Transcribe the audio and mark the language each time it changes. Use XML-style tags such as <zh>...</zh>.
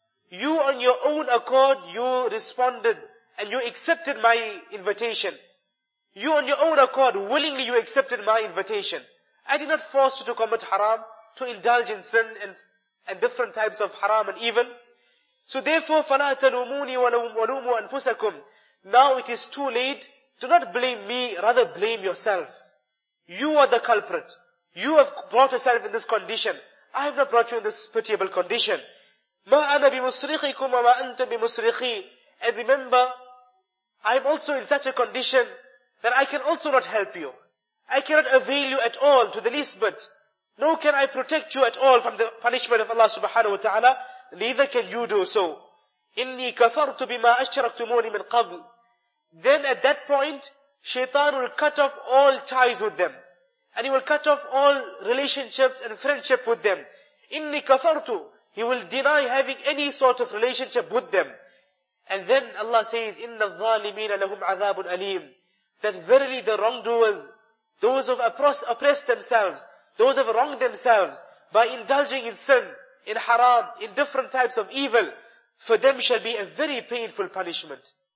<en>You on your own accord, you responded and you accepted my invitation. You on your own accord, willingly you accepted my invitation. I did not force you to commit haram, to indulge in sin and different types of haram and evil. So therefore,</en> <ar>فَلَا تَلُومُونِي وَلُومُوا أَنفُسَكُمْ.</ar> <en>Now it is too late. Do not blame me, rather blame yourself. You are the culprit. You have brought yourself in this condition. I have not brought you in this pitiable condition.</en> <ar>مَا أَنَا بِمُسْرِخِكُمْ وَمَا أَنْتُمْ بِمُسْرِخِي.</ar> <en>And remember, I am also in such a condition that I can also not help you. I cannot avail you at all to the least bit. Nor can I protect you at all from the punishment of Allah subhanahu wa ta'ala. Neither can you do so.</en> <ar>إِنِّي كَفَرْتُ بِمَا أَشْرَكْتُمُونِ مِنْ قَبْلِ.</ar> <en>Then at that point, Shaitan will cut off all ties with them. And he will cut off all relationships and friendship with them.</en> <ar>إِنِّي كَفَرْتُ.</ar> <en>He will deny having any sort of relationship with them. And then Allah says,</en> <ar>إِنَّ الظَّالِمِينَ لَهُمْ عَذَابٌ أَلِيمٌ.</ar> <en>That verily the wrongdoers, those who have oppressed themselves, those who have wronged themselves by indulging in sin, in haram, in different types of evil, for them shall be a very painful punishment.</en>